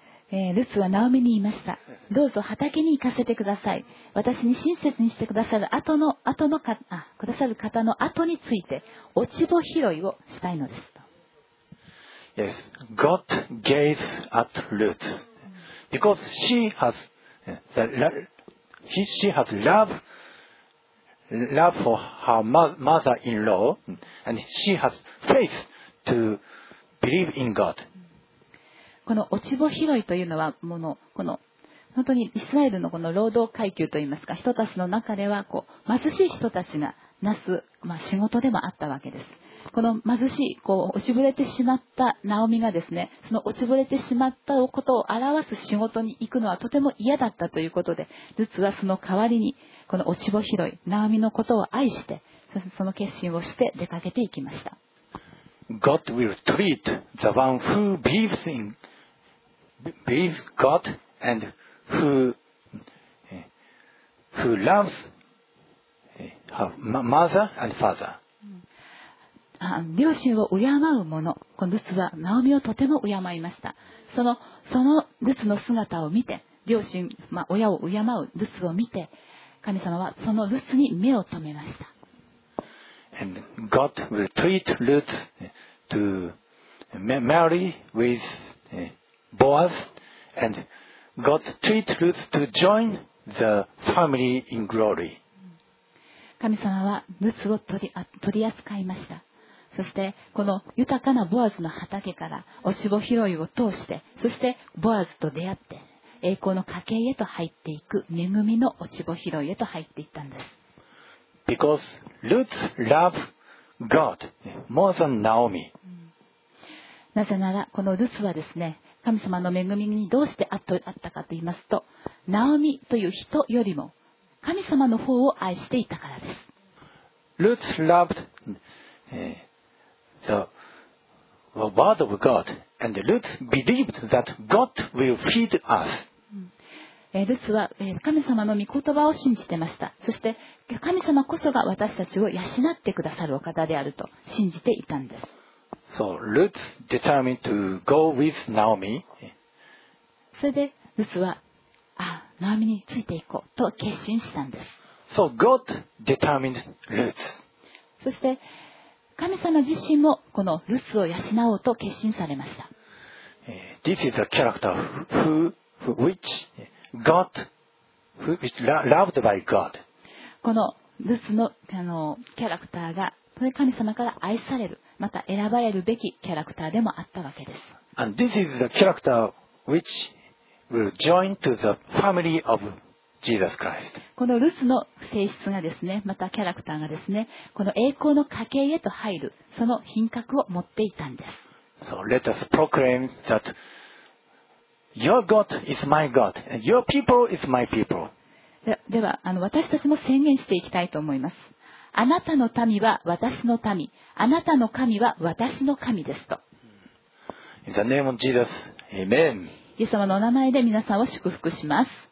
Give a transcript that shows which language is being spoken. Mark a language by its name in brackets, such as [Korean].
[Japanese] ルツはナオミに言いました。どうぞ畑に行かせてください。私に親切にしてくださる後の、後のか、あ、くださる方の後について落ち穂拾いをしたいのですと。 [English] Yes, God gave at Ruth because she has the love, she has love, love for her mother-in-law, and she has faith to believe in God. [Japanese] この落ち穂拾いというのはもの、この本当にイスラエルのこの労働階級といいますか、人たちの中ではこう貧しい人たちがなす、まあ、仕事でもあったわけです。この貧しい、こう落ちぶれてしまったナオミがですね、その落ちぶれてしまったことを表す仕事に行くのはとても嫌だったということで、ルツはその代わりにこの落ちぼ拾い、ナオミのことを愛して、その決心をして出かけていきました。 [English] God will treat the one who believes in, believes God and who loves her mother and father. [Japanese] 両親を敬う者、このルツはナオミをとても敬いました。そのルツの姿を見て、両親、まあ、親を敬うルツを見て、神様はそのルツに目を留めました。 [English] And God will treat Ruth to marry with Boaz and God treat Ruth to join the family in glory. [Japanese] 神様はルツを取り扱いました。そしてこの豊かなボアズの畑から落ち穂拾いを通して、そしてボアズと出会って栄光の家系へと入っていく、恵みの落ち穂拾いへと入っていったんです。 [English] Because Ruth loved God more than Naomi. [Japanese] なぜならこのルツはですね、神様の恵みにどうしてあったかと言いますと、ナオミという人よりも神様の方を愛していたからです。 [English] Ruth lovedThe word of God, and Ruth believed that God will feed us. [Japanese] ルツは神様の御言葉を信じてました。そして神様こそが私たちを養ってくださるお方であると信じていたんです。 [English] So Ruth determined to go with Naomi. [Japanese] それでルツは、あ、ナオミについていこうと決心したんです。 [English] So God determined Ruth. [Japanese] そして神様自身もこのルツを養おうと決心されました。 [English] This is a character which loved by God. [Japanese] このルツのキャラクターが神様から愛される、また選ばれるべきキャラクターでもあったわけです。 [English] And this is the character which will join to the family of God. Jesus Christ. [Japanese] このルツの性質がですね、またキャラクターがですね、この栄光の家系へと入る、その品格を持っていたんです。 [English] So let us proclaim that your God is my God, and your people is my people. [Japanese] では私たちも宣言していきたいと思います。あなたの民は私の民、あなたの神は私の神ですと。 [English] In the name of Jesus, Amen. [Japanese] イエス様のお名前で皆さんを祝福します。